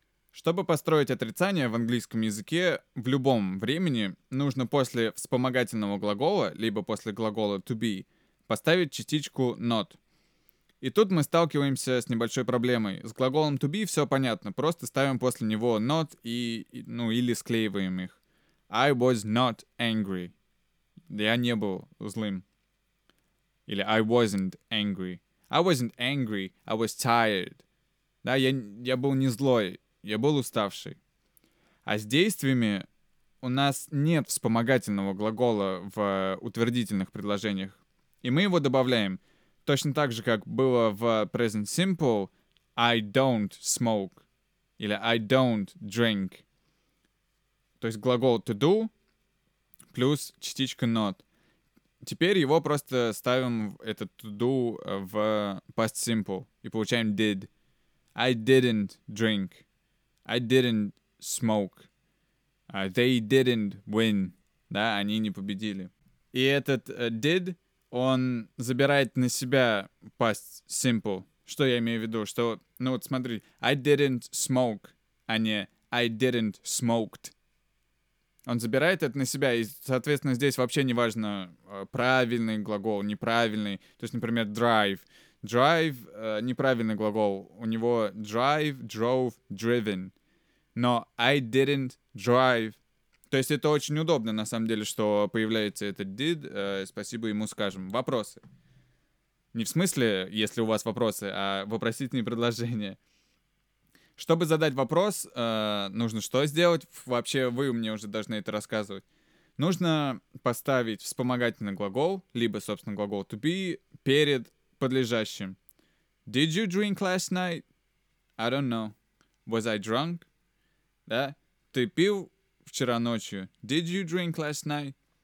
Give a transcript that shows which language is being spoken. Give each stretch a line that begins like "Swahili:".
Russian: Чтобы построить отрицание в английском языке, в любом времени нужно после вспомогательного глагола, либо после глагола «to be», поставить частичку «not». И тут мы сталкиваемся с небольшой проблемой. С глаголом «to be» все понятно, просто ставим после него «not» и, ну, или склеиваем их.
English: «I was not angry».
Russian: Я не был злым.
English: Или «I wasn't angry». «I wasn't angry, I was tired».
Russian: Да, я был не злой. Я был уставший. А с действиями у нас нет вспомогательного глагола в утвердительных предложениях. И мы его добавляем. Точно так же, как было в present simple
English: «I don't smoke»
Russian: или
English: «I don't drink».
Russian: То есть глагол «to do» плюс частичка «not». Теперь его просто ставим, этот «to do», в past simple и получаем «did».
English: «I didn't drink». I didn't smoke. They didn't win.
Russian: Да, они не победили. И этот did, он забирает на себя past simple. Что я имею в виду? Что, ну вот смотри,
English: I didn't smoke,
Russian: а не
English: I didn't smoked.
Russian: Он забирает это на себя, и, соответственно, здесь вообще не важно, правильный глагол, неправильный. То есть, например, drive. Drive — неправильный глагол. У него
English: drive, drove, driven.
Russian: Но
English: I didn't drive.
Russian: То есть это очень удобно, на самом деле, что появляется этот did. Спасибо ему скажем. Вопросы. Не в смысле, если у вас вопросы, а вопросительные предложения. Чтобы задать вопрос, нужно что сделать? Вообще вы мне уже должны это рассказывать. Нужно поставить вспомогательный глагол, либо, собственно, глагол to be, перед подлежащим.
English: Did you drink last night? I don't know. Was I drunk? Да?
Russian: Ты пил вчера ночью?
English: Did you drink last night?